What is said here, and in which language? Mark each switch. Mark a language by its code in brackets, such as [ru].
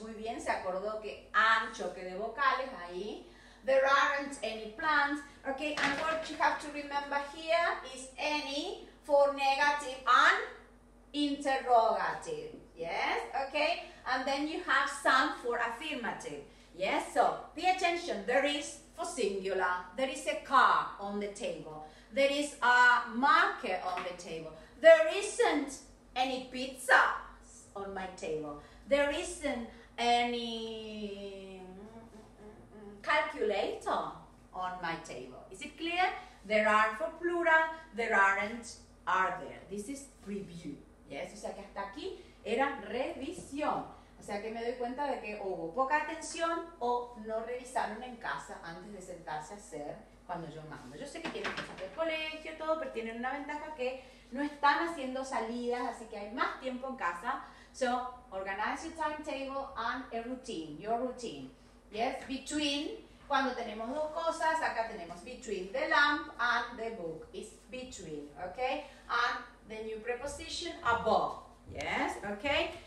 [es] Muy bien, se acordó que an choque de vocales ahí. [en] There aren't any plants. Okay, and what you have to remember here is any for negative and interrogative. Yes, okay? And then you have some for affirmative. Yes, so pay attention. There is for singular. There is a car on the table. There is a marker on the table. There isn't any pizza on my table. There isn't any calculator on my table. Is it clear? There are for plural, there aren't, are there. This is review. [es] Yes, o sea que hasta aquí era revisión. O sea que me doy cuenta de que hubo poca atención o no revisaron en casa antes de sentarse a hacer cuando yo mando. Yo sé que tienen cosas del colegio, todo, pero tienen una ventaja que no están haciendo salidas, así que hay más tiempo en casa. [en] So, organize your timetable and a routine, your routine. Yes, between, [es] cuando tenemos dos cosas, acá tenemos [en] between the lamp and the book. It's between, okay? And the new preposition above, yes, okay?